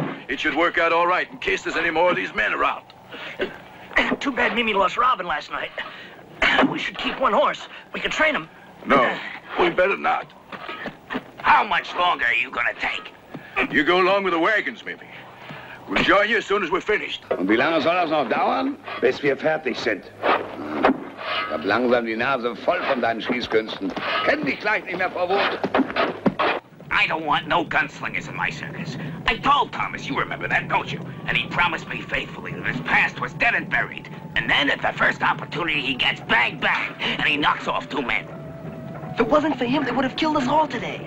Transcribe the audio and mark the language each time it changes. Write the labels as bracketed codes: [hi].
[en] It should work out all right in case there's any more of these men around. Too bad Mimi lost Robin last night. We should keep one horse. We could train him. No, we better not. How much longer are you going to take? You go along with the wagons, Mimi. We'll join you as soon as we're finished. [de] Und wie lange soll das noch dauern, bis wir fertig sind? Ich hab langsam die Nase voll von deinen Schießkünsten. Kenn dich gleich nicht mehr vor Wut. [en] I don't want no gunslingers in my circus. I told Thomas, you remember that, don't you? And he promised me faithfully that his past was dead and buried. And then at the first opportunity, he gets bang, bang, and he knocks off two men. If it wasn't for him, they would have killed us all today.